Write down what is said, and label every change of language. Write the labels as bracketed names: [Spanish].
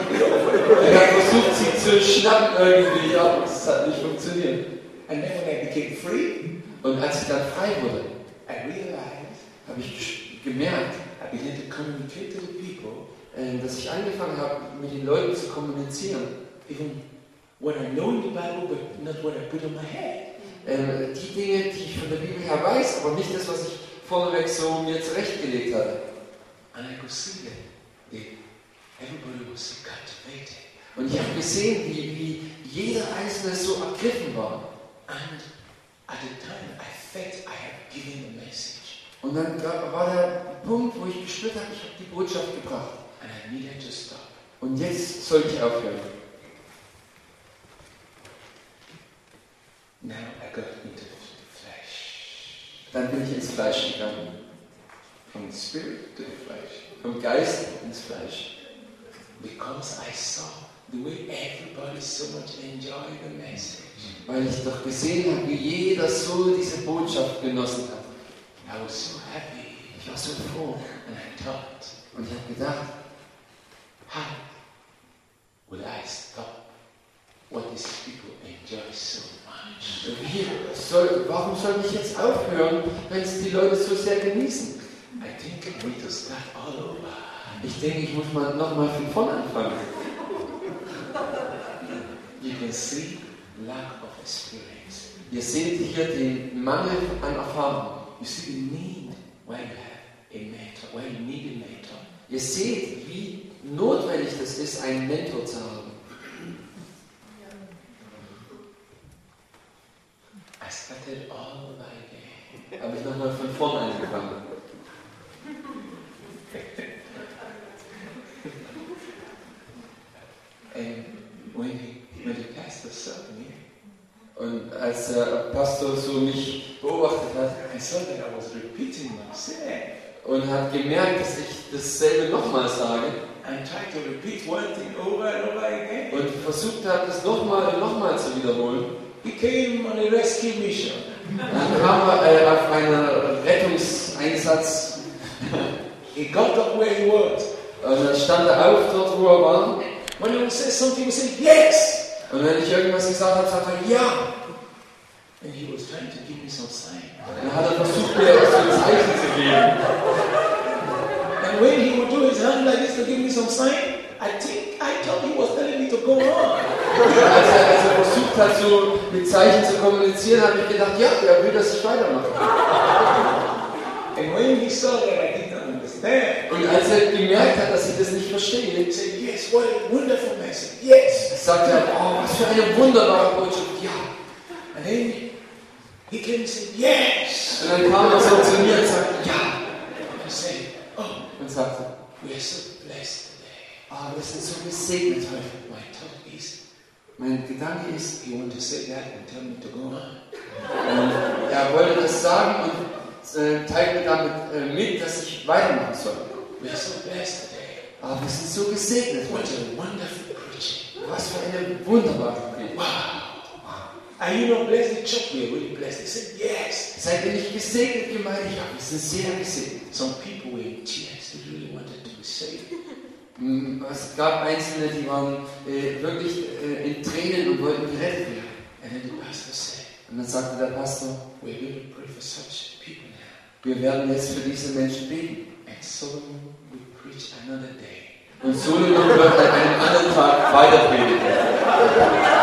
[German] Ich habe versucht, sie zu schnappen irgendwie, aber ja, es hat nicht funktioniert. [English] And then when I became free, [German] und als ich dann frei wurde, [English] I realized, [German] habe ich gemerkt, [English] I began to communicate to the people, [German] dass ich angefangen habe, mit den Leuten zu kommunizieren. [English] Even what I know in the Bible, but not what I put in my head. [German] Die Dinge, die ich von der Bibel her weiß, aber nicht das, was ich vorneweg so mir zurechtgelegt hatte. [English] And I could see that. Everybody was captivated. [German] Und ich habe gesehen, wie jeder Einzelne so ergriffen war. [English] And at the time I felt I had given the message. [German] Und dann war der Punkt, wo ich gespürt habe, ich habe die Botschaft gebracht. [English] And I needed to stop. [German] Und jetzt sollte ich aufhören. [English] Now I got into the flesh. [German] Dann bin ich ins Fleisch gegangen. [English] From the spirit to the flesh. [German] Vom Geist ins Fleisch. [English] Because I saw the way everybody so much enjoyed the message. [German] Weil ich doch gesehen habe, wie jeder so diese Botschaft genossen hat. [English] I was so happy. [German] Ich war so froh. [English] And I thought. [German] Und ich habe gedacht, [English] how would I stop what these people enjoy so much? [German] Warum soll ich jetzt aufhören, wenn es die Leute so sehr genießen? [English] I think I need to start all over. [German] Ich denke, ich muss mal nochmal von vorne anfangen. [English] You can see lack of experience. [German] Ihr seht hier den Mangel an Erfahrung. [English] You see the need why you have a mentor, why you need a mentor. [German] Ihr seht, wie notwendig das ist, einen Mentor zu haben. [English] I started all over again. [German] Habe ich nochmal von vorne angefangen. [English] When the pastor saw me, [German] und als der Pastor so mich beobachtet hat, [English] I saw that I was repeating myself. [German] Und hat gemerkt, dass ich dasselbe nochmal sage, [English] and tried to repeat one thing over and over again. [German] Und versucht hat, es nochmal und nochmal zu wiederholen, [English] he came on a rescue mission. [German] Dann kam er auf einen Rettungseinsatz. [English] He got up where he was. [German] Und dann stand er auf, dort wo er war. [English] When he says something, he says yes. [German] Und wenn ich irgendwas gesagt habe, sagt er ja. [English] And he was trying to give me some sign. [German] Und er hat versucht, mir auch so ein Zeichen zu geben. [English] And when he would do his hand like this to give me some sign, I thought he was telling me to go on. [German] Als er versucht hat, so mit Zeichen zu kommunizieren, habe ich gedacht, ja, er will, dass ich weitermache. [English] And when he saw that I didn't understand. [German] Und als er gemerkt hat, dass ich das nicht verstehe, [English] he said, yes, what a wonderful message. Yes. [German] Sagt er, oh, was für eine wunderbare Botschaft, ja. [English] And then he came and said, yes. [German] Und dann kam er so zu mir und sagte, ja. [English] And said, oh. [German] Und sagte, [English] we are so blessed today. [German] Ah, oh, wir sind so gesegnet heute. [English] My tongue is [German] Mein Gedanke ist, [English] he wanted to say that and tell me to go. [German] Und er wollte das sagen und teilte damit mit, dass ich weitermachen soll. [English] We're so blessed today. [German] Aber wir sind so gesegnet. [English] What a wonderful preaching. [German] Was für eine wunderbare Predigt. [English] Wow. Are you not blessed? He choked me. Are you blessed? He said, yes. [German] Seid ihr nicht gesegnet, gemeint? Ja, wir sind sehr gesegnet. [English] Some people were in tears. They really wanted to be saved. [German] Es gab Einzelne, die waren wirklich in Tränen und wollten gerettet werden. [English] And then the pastor said, [German] und dann sagte der Pastor, [English] we're going to pray for such people now. [German] Wir werden jetzt für diese Menschen beten. [English] And so we preach another day. [German] Und so wird er einen anderen Tag weiter predigen.